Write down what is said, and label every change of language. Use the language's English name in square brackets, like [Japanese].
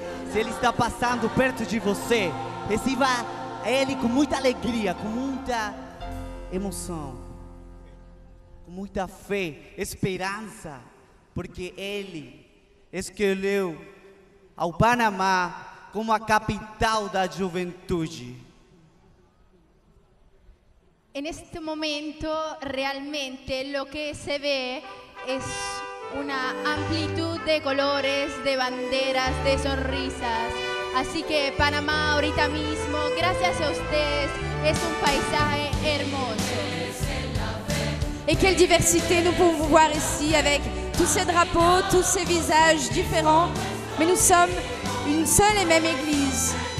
[Portuguese] Se ele está passando perto de você, receba ele com muita alegria, com muita emoção, com muita fé, esperança, porque ele escolheu ao Panamá como a capital da juventude. [Spanish] En este momento realmente lo que se ve es una amplitud de colores, de banderas, de sonrisas. Así que Panamá ahorita mismo, gracias a ustedes, es un paisaje hermoso. [French] Et quelle diversité nous pouvons voir ici avec tous ces drapeaux, tous ces visages différents, mais nous sommes une seule et même église.